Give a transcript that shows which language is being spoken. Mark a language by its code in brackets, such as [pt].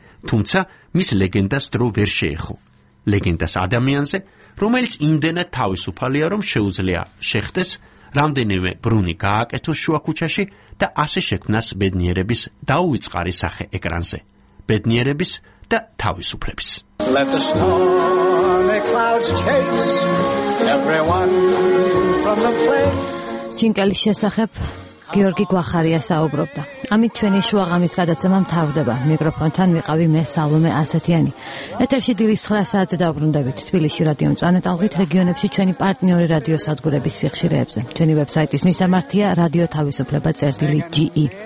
[ka] თუმცა მის ლეგენდას დრო ვერ შეეხო. ლეგენდას ადამიანზე, რომელიც იმდენად თავისუფალია, რომ შეუძლია შეხტეს, რამდენიმე ბრუნი გააკეთოს შუა ქუჩაში და ასე შექმნას ბედნიერების დაუვიწყარი სახე ეკრანზე. ბედნიერების და თავისუფლების. [en] Let the stormy clouds chase everyone from the plain. [ka] ჯინკელის შესახებ გიორგი გვახარია საუბრობდა. ამით ჩვენი შუაღამის გადაცემა მთავრდება. მიკროფონთან ვიყავი მე სალომე ასათიანი. ეთერში დილის 9 საათზე დავბრუნდებით თბილისში რადიო წანეტალღით რეგიონებში ჩვენი პარტნიორი რადიო სადგურების სიხშირეებზე. ჩვენი ვებსაიტის მისამართია radiotavisupleba.ge.